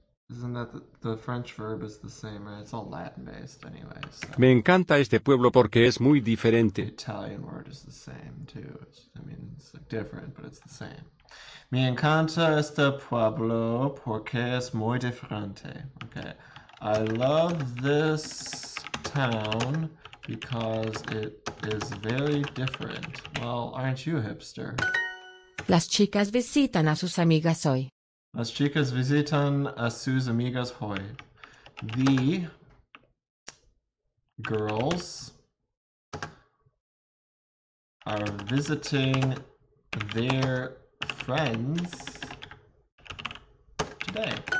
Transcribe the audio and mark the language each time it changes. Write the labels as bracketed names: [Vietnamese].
[English] Isn't that the French verb is the same, right? It's all Latin-based anyway, so. [Spanish] Me encanta este pueblo porque es muy diferente. [English] The Italian word is the same, too. It's like different, but it's the same. [Spanish] Me encanta este pueblo porque es muy diferente. [English] Okay. I love this town because it is very different. Well, aren't you a hipster? [Spanish] Las chicas visitan a sus amigas hoy. Las chicas visitan a sus amigas hoy. [English] The girls are visiting their friends today.